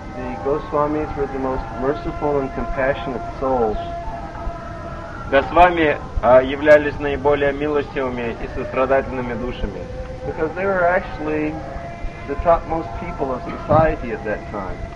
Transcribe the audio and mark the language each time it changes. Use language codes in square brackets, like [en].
[en] The Госвамис were the most merciful and compassionate souls. [ru] Госвами являлись наиболее милостивыми и сострадательными душами. [en] Because they were actually the topmost people of society at that time.